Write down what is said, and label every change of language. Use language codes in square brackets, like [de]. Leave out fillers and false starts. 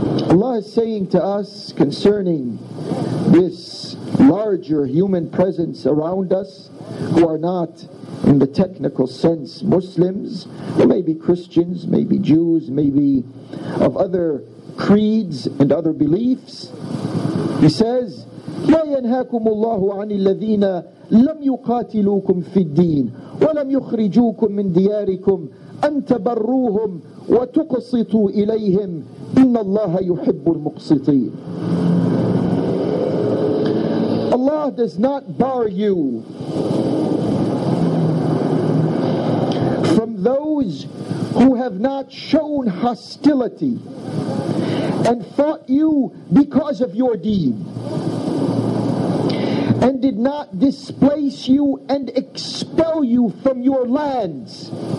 [en] Allah is saying to us concerning this larger human presence around us, who are not in the technical sense Muslims, they may be Christians, maybe Jews, maybe of other creeds and other beliefs. He says, [ar] لا ينهاكم الله عن الذين لم يقاتلوكم في الدين ولم يخرجوكم من دياركم أن تبروهم وتقسطوا إليهم إن الله يحب المقسطين. [en] Allah does not bar you from those who have not shown hostility and fought you because of your deen, and did not displace you and expel you from your lands.